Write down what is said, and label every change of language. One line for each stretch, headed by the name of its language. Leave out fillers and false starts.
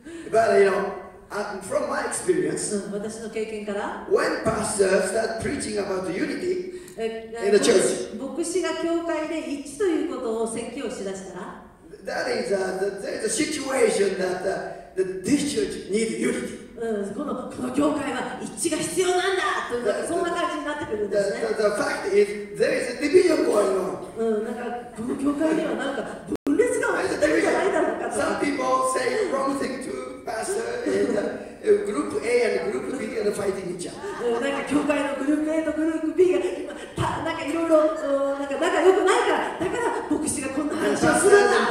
English: But you know, from my experience, when pastors start preaching about unity in the church,
Japanese: 牧師が教会で一致ということを説教しだしたら、
English: that is the situation that this church needs unity.
Japanese: この教会は一致が必要なんだというそんな感じになってくるんですね。
English: The fact is, there is a division going on.
Japanese: なんかこの教会にはなんか分裂が起きてるんじゃないだろうかと。
English: Some people say wrong thing to pastor and group A and group B are fighting each other.
Japanese: なんか教会のグループ A とグループ B が今なんかいろいろ仲良くないから、だから牧師がこんな話をするんだ。